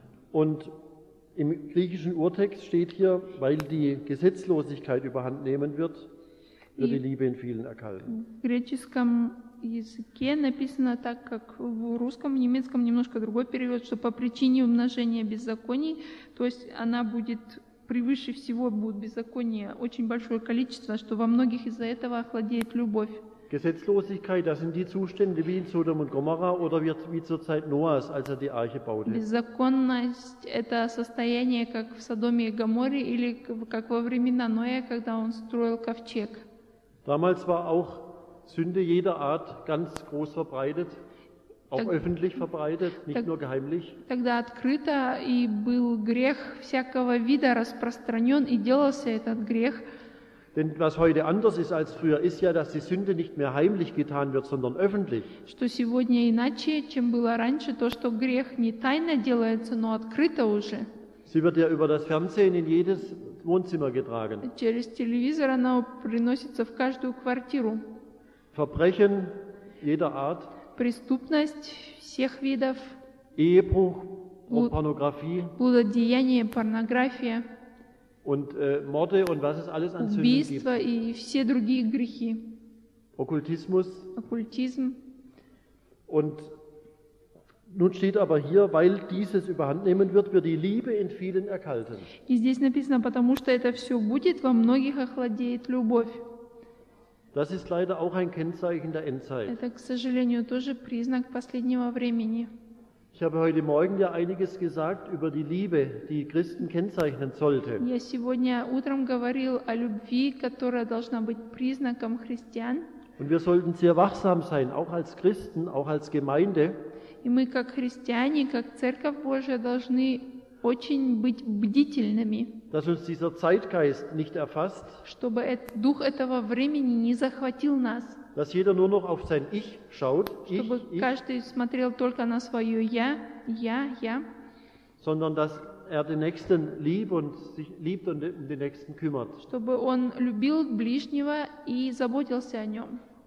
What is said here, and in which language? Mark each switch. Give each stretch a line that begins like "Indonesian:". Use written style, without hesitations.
German: Und im griechischen Urtext steht hier, weil die Gesetzlosigkeit überhand nehmen wird, wird die Liebe in vielen erkalten.
Russian: В греческом языке написано так, как в русском, в немецком немножко другой перевод, что по причине умножения беззаконий, то есть она будет превыше всего будет беззаконие, очень большое количество, что во многих из-за этого охладеет любовь.
German: Gesetzlosigkeit, das sind die Zustände wie in Sodom und Gomorra oder wie zur Zeit Noahs, als die Arche baute.
Russian: Беззаконность – это состояние, как в Содоме и Гоморре или как во времена Ноя, когда он строил ковчег.
German: Damals war auch Sünde jeder Art ganz groß verbreitet, auch öffentlich verbreitet, nicht nur geheimlich.
Russian: Тогда открыто и был грех всякого вида распространен и делался этот грех.
German: Denn was heute anders ist als früher, ist ja, dass die Sünde nicht mehr heimlich getan wird, sondern öffentlich.
Russian: Что сегодня иначе, чем было раньше, то, что грех не тайно делается, но открыто уже.
German: Sie wird ja über das Fernsehen in jedes Wohnzimmer getragen.
Russian: Через телевизор она приносится в каждую квартиру.
German: Verbrechen jeder Art.
Russian: Преступность всех видов.
German: Ehebruch, Pornografie.
Russian: Блудодеяние, порнография.
German: Und Morde und was es alles an Sünden gibt.
Russian: Убийства и все другие грехи. Оккультизм. Оккультизм.
German: Und Nun steht aber hier, weil dieses überhandnehmen wird, wird die Liebe in vielen erkalten.
Russian: И здесь написано, потому что это все будет, во многих охладеет любовь.
German: Das ist leider auch ein Kennzeichen der Endzeit.
Russian: Это, к сожалению, тоже признак последнего времени.
German: Ich habe heute Morgen ja einiges gesagt über die Liebe, die Christen kennzeichnen sollte.
Russian: Я сегодня утром говорил о любви, которая должна быть признаком христиан.
German: Und wir sollten sehr wachsam sein, auch als Christen, auch als Gemeinde.
Russian: И мы, как христиане, как Церковь Божия, должны очень быть бдительными,
German: dass uns dieser Zeitgeist nicht erfasst,
Russian: чтобы дух этого времени не захватил нас,
German: dass jeder nur noch auf sein Ich schaut,
Russian: чтобы
German: ich,
Russian: каждый ich, смотрел только на свое «я», «я», «я»,
German: sondern dass er den Nächsten liebt und sich liebt und den Nächsten kümmert,
Russian: чтобы он любил ближнего и заботился о нем.